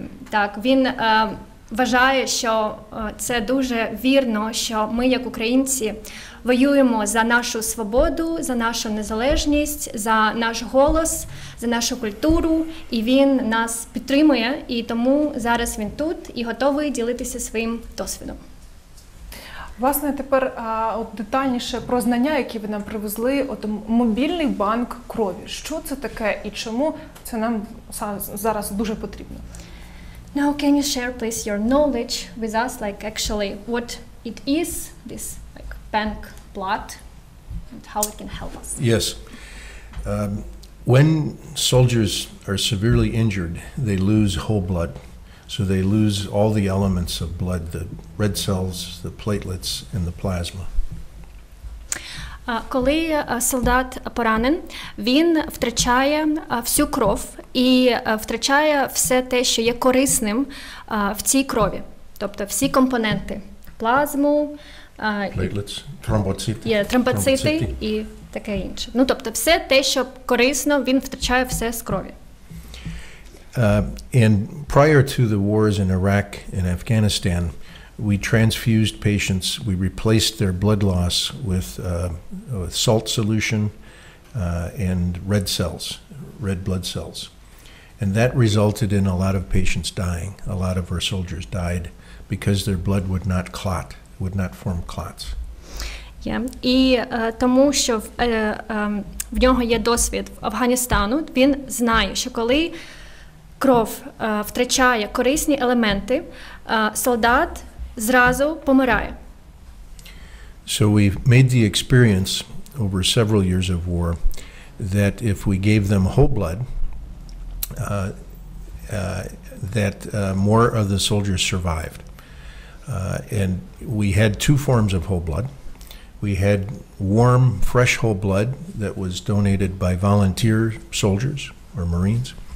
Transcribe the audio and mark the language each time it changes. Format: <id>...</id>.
<uk>Так, він вважає, що це дуже вірно, що ми, як українці, воюємо за нашу свободу, за нашу незалежність, за наш голос, за нашу культуру, і він нас підтримує, і тому зараз він тут і готовий ділитися своїм досвідом. Власне, тепер детальніше про знання, які ви нам привезли, от мобільний банк крові. Що це таке і чому це нам зараз дуже потрібно?</uk> <en>Now, can you share, please, your knowledge with us, like, actually, what it is, this, like, bank blood, and how it can help us? Yes. When soldiers are severely injured, they lose whole blood. So they lose all the elements of blood, the red cells, the platelets, and the plasma.</en> <uk>Коли солдат поранен, він втрачає всю кров і втрачає все те, що є корисним в цій крові. Тобто всі компоненти. Плазму. Платлетс. Тромбоцити. Є тромбоцити і таке інше. Ну, тобто все те, що корисно, він втрачає все з крові.</uk> <en>And prior to the wars in Iraq and Afghanistan, we transfused patients, we replaced their blood loss with salt solution and red cells, red blood cells. And that resulted in a lot of patients dying. A lot of our soldiers died because their blood would not clot, would not form clots.</en> <uk>Yeah. І тому, що в нього є досвід в Афганістану, він знає, що коли кров втрачає корисні елементи, солдат зразу помирає.</uk> <en>So we made the experience over several years of war that if we gave them whole blood, more of the soldiers survived. And we had two forms of whole blood. We had warm, fresh whole blood that was donated by volunteer soldiers or Marines.</en>